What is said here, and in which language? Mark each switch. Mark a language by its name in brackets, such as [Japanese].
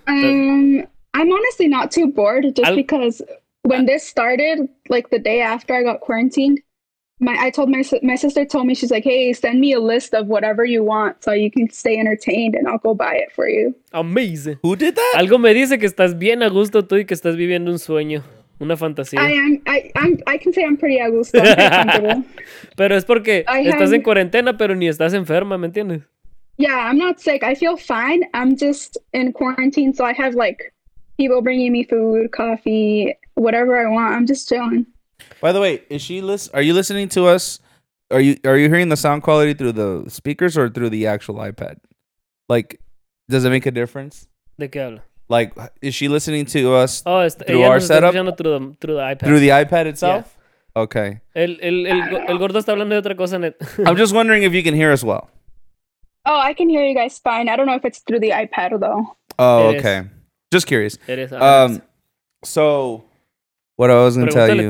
[English] I'm honestly not too bored, just because when this started, like the day after I got quarantined, my sister told me, she's like, hey, send me a list of whatever you want so you can stay entertained and I'll go buy it for you. Amazing. Who did that? [Spanish] Algo me dice que estás bien a gusto tú y que estás viviendo un sueño. Una fantasía. [English] I can say I'm pretty [Spanish] a gusto. [English] I'm comfortable. [Spanish] Pero es porque estás en cuarentena, pero ni estás enferma, ¿me entiendes? [English] Yeah, I'm not sick. I feel fine. I'm just in quarantine, so I have, like, people bringing me food, coffee, whatever I want. I'm just chilling. By the way, are you listening to us? Are you hearing the sound quality through the speakers or through the actual iPad? Like, does it make a difference? [Spanish] ¿De qué habla? [English] Like, is she listening to us through our setup? Through the iPad. Through the iPad itself? Yeah. Okay. [Spanish] El gordo está hablando de otra cosa, net. [English] I'm just wondering if you can hear as well. Oh, I can hear you guys fine. I don't know if it's through the iPad, though. Oh, okay. Just curious. It is. So, what I was going to tell you.